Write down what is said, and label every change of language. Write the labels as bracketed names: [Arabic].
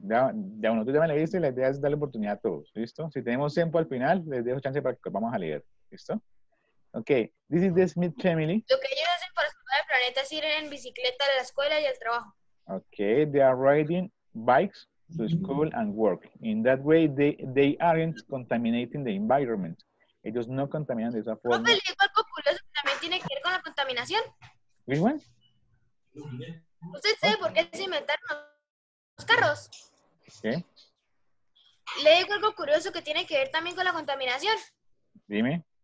[Spanish] Tú ya me leíste y la idea es darle oportunidad a todos. ¿Listo? Si tenemos tiempo al final, les dejo chance para que vamos a leer. ¿Listo? [English] Ok. This is the Smith family. [Spanish] Lo que ellos hacen para salvar el planeta es ir en bicicleta a la escuela y al trabajo. [English] Ok. They are riding bikes to school and work. In that way, they aren't contaminating the environment. [Spanish] Ellos no contaminan de esa forma. ¿Profe, le digo algo curioso que también tiene que ver con la contaminación? [English] ¿Which one? [Spanish] ¿Usted sabe por qué se inventaron los carros? ¿Qué? Le digo algo curioso que tiene que ver también con la contaminación. Dime.